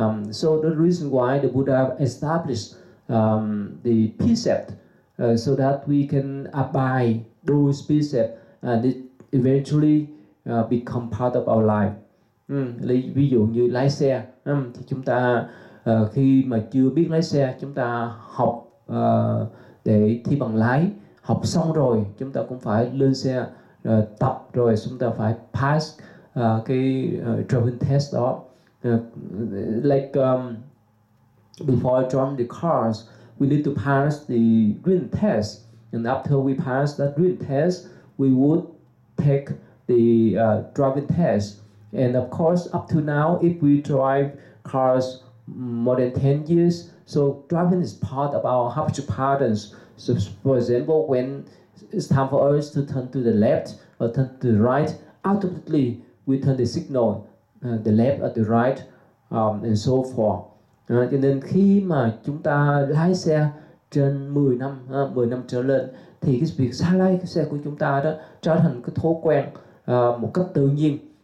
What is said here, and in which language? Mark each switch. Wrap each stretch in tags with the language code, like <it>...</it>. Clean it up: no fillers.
<en>So the reason why the Buddha established the precept so that we can abide those precept and it eventually become part of our life.</en> <vi>Ví dụ như lái xe, thì chúng ta khi mà chưa biết lái xe, chúng ta học để thi bằng lái. Học xong rồi, chúng ta cũng phải lên xe tập rồi, chúng ta phải pass cái</vi> <en>driving test</en> <vi>đó.</vi> <en>Before driving the cars, we need to pass the green test. And after we pass that green test, we would take the driving test. And of course, up to now, if we drive cars more than 10 years, so driving is part of our habit patterns. So for example, when it's time for us to turn to the left or turn to the right, automatically we turn the signal, the left or the right, and so forth.</en> <vi>Cho nên khi mà chúng ta lái xe trên 10 năm, 10 năm trở lên, thì cái việc xa lái xe của chúng ta đó trở thành cái thói quen một cách tự nhiên.</vi>